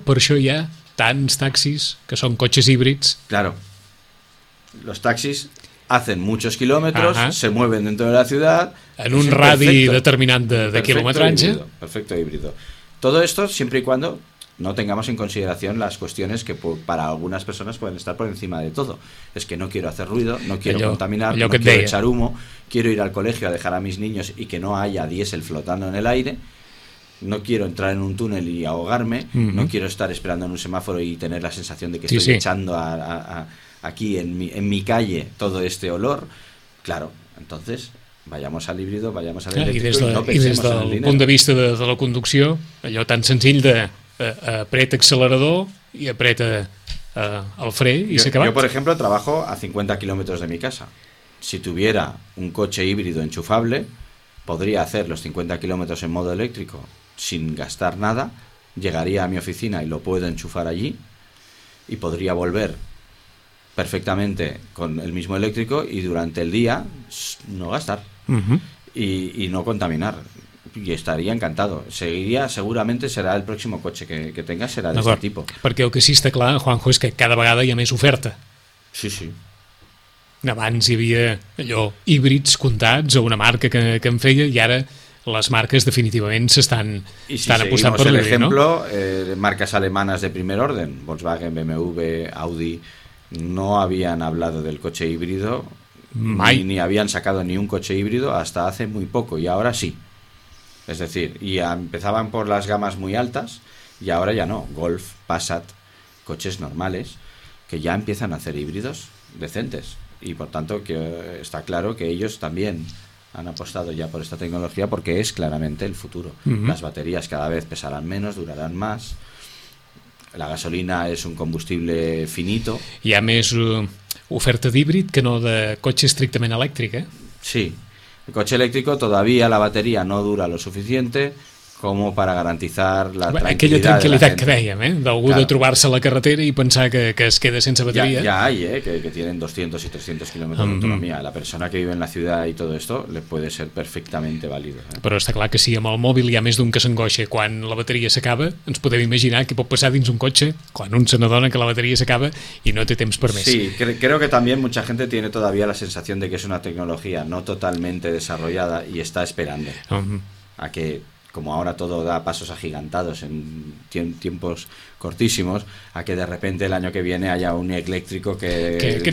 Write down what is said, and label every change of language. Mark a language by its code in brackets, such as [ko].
[ca] Per això hi ha tants taxis que són cotxes híbrids. [es] Claro, los taxis hacen muchos kilómetros, se mueven dentro de la ciudad... [ca] En un radi determinant de kilometratge. [es] Perfecto híbrido. Todo esto siempre y cuando no tengamos en consideración las cuestiones que para algunas personas pueden estar por encima de todo. Es que no quiero hacer ruido, no quiero contaminar, no quiero echar humo, quiero ir al colegio a dejar a mis niños y que no haya diésel flotando en el aire, no quiero entrar en un túnel y ahogarme, no quiero estar esperando en un semáforo y tener la sensación de que estoy echando aquí en mi calle todo este olor. Claro, entonces... Vayamos al híbrido, vayamos al eléctrico [ca] i des del punt de vista de la conducció, allò tan senzill de apreta accelerador i apreta el fre i s'ha acabat. [es] Yo, por ejemplo, trabajo a 50 kilómetros de mi casa. Si tuviera un coche híbrido enchufable, podría hacer los 50 kilómetros en modo eléctrico sin gastar nada, llegaría a mi oficina y lo puedo enchufar allí y podría volver perfectamente con el mismo eléctrico y durante el día no gastar y no contaminar, y estaría encantado. Seguiría, seguramente será el próximo coche que tenga, será de este tipo. [ca] Perquè el que sí està clar, Juanjo, és que cada vegada hi ha més oferta. Sí, sí. Abans hi havia allò, híbrids comptats o una marca que en feia, i ara les marques definitivament s'estan apostant per l'híbrid, no? [es] Por ejemplo, marques alemanes de primer orden, Volkswagen, BMW, Audi... No habían hablado del coche híbrido, ni habían sacado ni un coche híbrido hasta hace muy poco, y ahora sí. Es decir, y empezaban por las gamas muy altas, y ahora ya no. Golf, Passat, coches normales, que ya empiezan a hacer híbridos decentes. Y por tanto, que está claro que ellos también han apostado ya por esta tecnología, porque es claramente el futuro. Uh-huh. Las baterías cada vez pesarán menos, durarán más... La gasolina és un combustible finito. [ca] Hi ha més oferta d'híbrid que no de cotxe estrictament elèctric, eh? Sí. El cotxe elèctric, [es] todavía la bateria no dura lo suficiente como para garantizar la tranquilidad. [ca] Aquella tranquilitat que dèiem, eh? D'algú de trobar-se a la carretera i pensar que es queda sense bateria. [es] Ya hay, eh? Que tienen 200 y 300 kilómetros d'autonomia. La persona que vive en la ciudad y todo esto le puede ser perfectamente válido. [ca] Però està clar que si amb el mòbil hi ha més d'un que s'angoixa quan la bateria s'acaba, ens podem imaginar què pot passar dins un cotxe quan un se n'adona que la bateria s'acaba i no té temps per més. [es] Sí, creo que también mucha gente tiene todavía la sensación de que es una tecnología no totalmente desarrollada y está esperando a que... como ahora todo da pasos agigantados en tiempos cortísimos, a que de repente el año que viene haya un eléctrico que